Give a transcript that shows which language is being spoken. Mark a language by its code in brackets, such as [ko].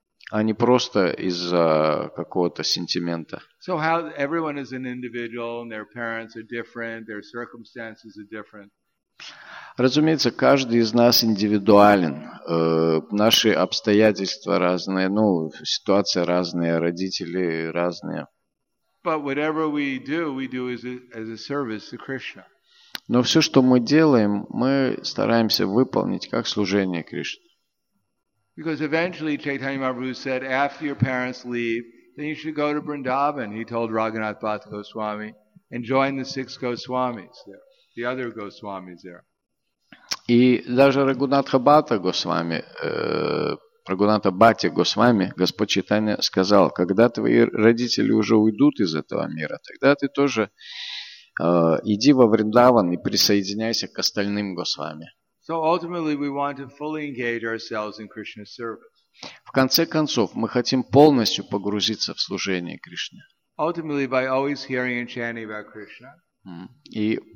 [ru] А не просто из-за какого-то сентимента. [en] So how everyone is an individual and their parents are different, their circumstances are different. [ru] Разумеется, каждый из нас индивидуален. Наши обстоятельства разные, ну, ситуация разная, родители разные. [en] But whatever we do as a service to Krishna. [ru] Но все, что мы делаем, мы стараемся выполнить как служение Кришне. [en] Because eventually Chaitanya Mahaprabhu said, after your parents leave, then you should go to Vrindavan, he told Raghunath Bhat Goswami, and join the six Goswamis there, the other Goswamis there. [ru] И даже Рагунатха Бхата Госвами Прагунатха Бхатти Госвами, Господь Чайтанья сказал, когда твои родители уже уйдут из этого мира, тогда ты тоже иди во Вриндаван и присоединяйся к остальным Госвами. [en] So ultimately we want to fully engage ourselves in Krishna's service. [ru] В конце концов, мы хотим полностью погрузиться в служение Кришне. [en] Ultimately, by always hearing and chanting about Krishna.